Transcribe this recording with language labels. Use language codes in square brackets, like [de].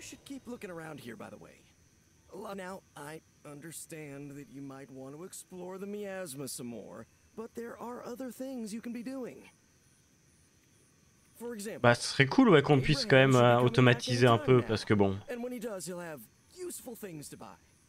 [en] You should keep looking around here, by the way. Now, I understand that you might want to explore the miasma some more, but there are other things you can be doing. For example, [fr] bah, ce serait cool, ouais, qu'on puisse quand même automatiser un peu, parce que bon. [en] And when he does, he'll have useful things to buy.